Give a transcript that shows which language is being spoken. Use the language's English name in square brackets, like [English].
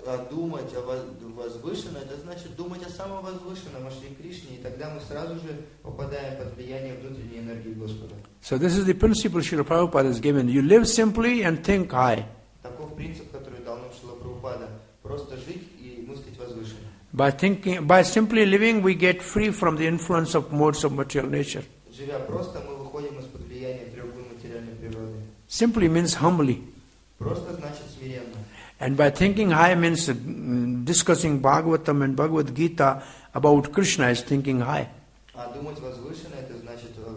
[Russian] Думать о возвышенном, это значит думать о самом возвышенном, о Шри Кришне, и тогда мы сразу же попадаем под влияние внутренней энергии Господа. [English] So this is the principle Srila Prabhupada has given. You live simply and think high. [Russian] Таков принцип, который дал нам Шрила Прабхупада. Просто жить и мыслить возвышенно. [English] By simply living, we get free from the influence of modes of material nature. [Russian] Живя просто, мы выходим из-под влияния трех гун материальной природы. [English] Simply means humbly. [Russian] Просто значит смиренно. [English] And by thinking high means discussing Bhagavatam and Bhagavad Gita about Krishna is thinking high. [Russian] А думать возвышенно, это значит